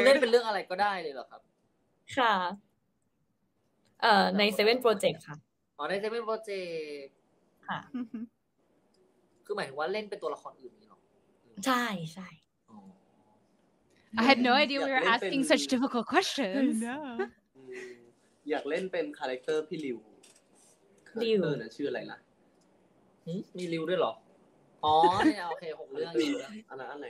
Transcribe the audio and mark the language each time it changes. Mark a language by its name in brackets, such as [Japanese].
[Thai] เล่นเป็นเรื่องอะไรก็ได้เลยเหรอครับ ค่ะใน7 project ค่ะ อ๋อใน7 project ค่ะ คือหมายถึงว่าเล่นเป็นตัวละครอื่นนี่ หรอ ใช่ใช่ [English] I had no idea we were asking such difficult questions no อ [Thai] ยากเล่นเป็นคาแรคเตอร์พี่ริว ริว นะชื่ออะไรล่ะ มีริวด้วยหรออ๋อโอเค6เรื่องอยู่อันไหน